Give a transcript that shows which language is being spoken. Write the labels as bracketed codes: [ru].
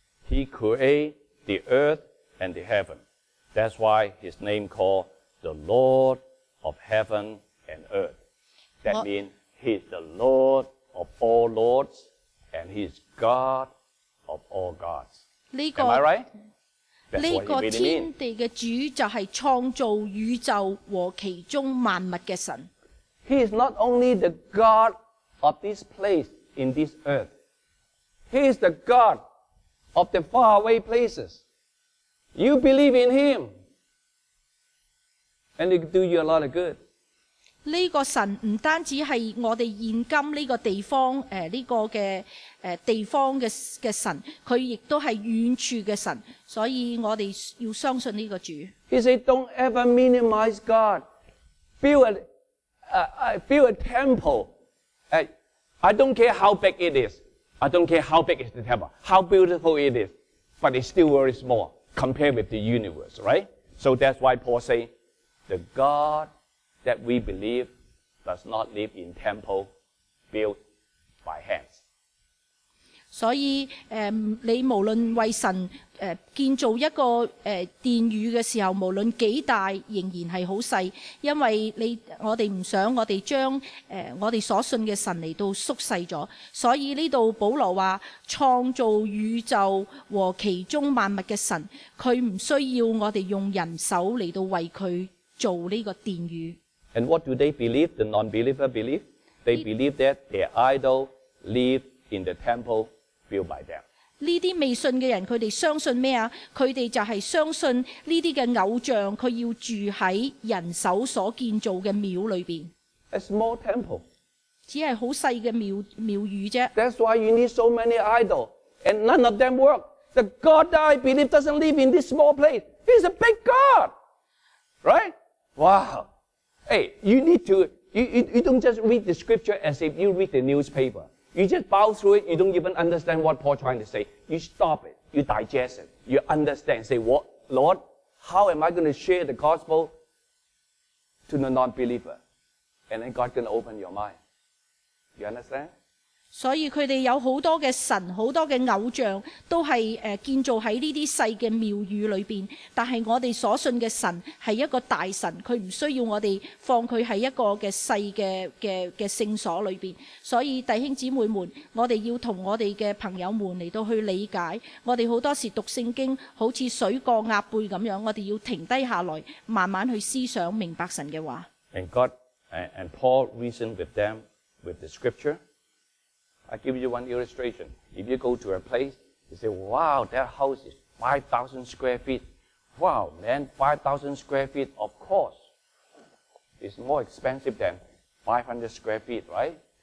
[en] He created the earth and the heaven. That's why his name called the Lord of heaven and earth. That means he is the Lord of all lords and he is God of all gods. 这个、 Am I right? [zh] 这个天地的主就是创造宇宙和其中万物的神。 [en] He is not only the God of this place in this earth. He is the God of the faraway places. You believe in him. And it do you a lot of good. [zh] 这个神不单止是我们现今这个地方这个的地方 的神，他也都是远处的神，所以我们要相信这个主。 [en] He said, don't ever minimize God. Build a temple. I don't care how big it is. I don't care how big is the temple, how beautiful it is, but it's still very small compared with the universe, right? So that's why Paul says, the God that we believe does not live in temple built by hands. [zh] 所以你无论为神建造一个殿宇的时候，无论几大仍然是很小，因为我们不想我们将我们所信的神来到缩小了。所以这里保罗说，创造宇宙和其中万物的神，他不需要我们用人手来到为他做这个殿宇。 [en] And what do they believe? The non-believer believe? They believe that their idol live in the temple built by them. [zh] 这些未信的人他们相信什么？他们就是相信这些的偶像，他要住在人手所建造的庙里面。 [en] A small temple. [zh] 只是很小的庙宇而已。 [en] That's why you need so many idols, and none of them work. The God that I believe doesn't live in this small place. He's a big God! Right? Wow! Hey, you don't just read the scripture as if you read the newspaper. You just bow through it, you don't even understand what Paul trying to say. You stop it, you digest it, you understand, say, what, Lord, how am I going to share the gospel to the non-believer? And then God can open your mind. You understand? [zh] 所以他们有很多的神，很多的偶像都是建造在这些小的庙宇里面，但是我们所信的神是一个大神，他不需要我们放他在一个小 的圣所里面。所以弟兄姊妹们，我们要跟我们的朋友们来到去理解，我们很多时候读圣经好像水过鸭背那样，我们要停低下来慢慢去思想明白神的话。 [en] And Paul reasoned with them with the scripture. I give you one illustration. If you go to a place, you say, wow, that house is 5,000 square feet. Wow, man, 5,000 square feet, of course. It's more expensive than 500 square feet, right?